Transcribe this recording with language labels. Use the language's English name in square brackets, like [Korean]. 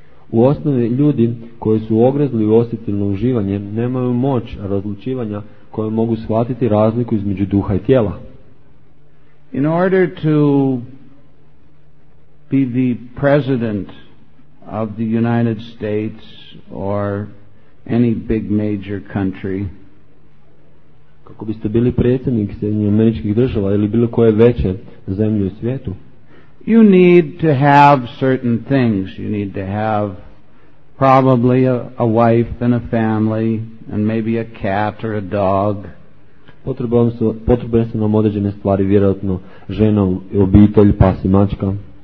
[Croatian] U osnovi, ljudi koji su ogrezli u osjetilno uživanje nemaju moć razlučivanja koje mogu shvatiti razliku između duha i tijela. [English] In order to be the president of the United States or any big major country, [Croatian] kako biste bili predsjednik Sjedinjenih Američkih Država ili bilo koje veće zemlje u svijetu, [English] you need to have certain things. You need to have probably a wife and a family and maybe a cat or a dog. [Croatian] Potrebne su nam određene stvari, vjerojatno žena, obitelj, pas i mačka.